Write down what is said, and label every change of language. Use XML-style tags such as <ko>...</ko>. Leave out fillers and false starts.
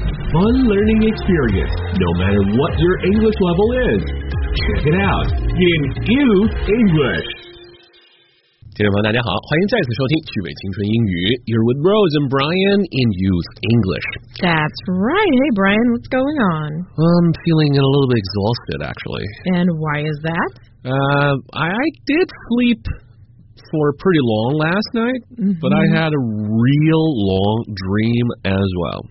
<en>Fun learning experience, no matter what your English level is. Check it out in Use English.</en> <zh>听众朋友大家好，欢迎再次收听趣味青春英语。</zh> <en>You're with Rose and Brian in Use English. That's right. Hey, Brian, what's going on? I'm feeling a little bit exhausted, actually. And why is that? I did sleep... for pretty long last night, but I had a real long dream as well.</en>